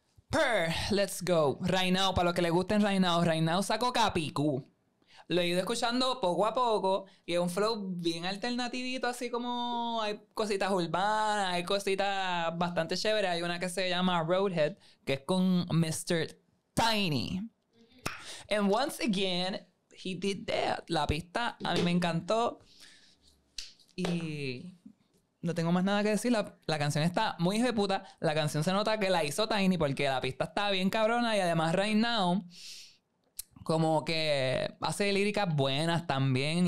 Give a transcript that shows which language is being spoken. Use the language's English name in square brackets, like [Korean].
[Spanish] Per, [English] let's go. Right now, [Spanish] para los que les gusten [English] right now [Spanish] saco Capicú. Lo he ido escuchando poco a poco y es un flow bien alternativito, así como hay cositas urbanas, hay cositas bastante chéveres. Hay una que se llama Roadhead, que es con Mr. Tiny. [English] And once again, he did that. [Spanish] La pista a mí me encantó y no tengo más nada que decir. La canción está muy hijo de puta. La canción se nota que la hizo Tiny porque la pista está bien cabrona y además [English] right now... [Spanish] como que hace líricas buenas también.